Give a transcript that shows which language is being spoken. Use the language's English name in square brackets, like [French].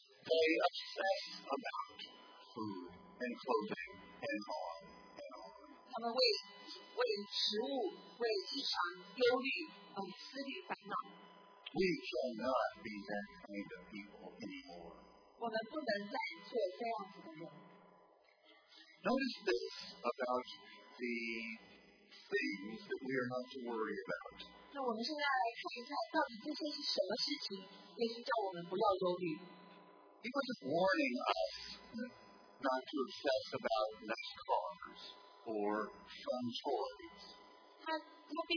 [English] They obsess about food and clothing and all. [Chinese] 他们为食物、为衣裳忧虑、思虑烦恼。 [English] We cannot be that kind of people anymore. [Chinese] 我们不能再做这样子的人。 [English] Notice this about the things that we are not to worry about. [Chinese] 那我们现在来看一下到底这些是什么事情，也是叫我们不要忧虑。 [English] He was just warning us not to obsess about nice cars or fun toys.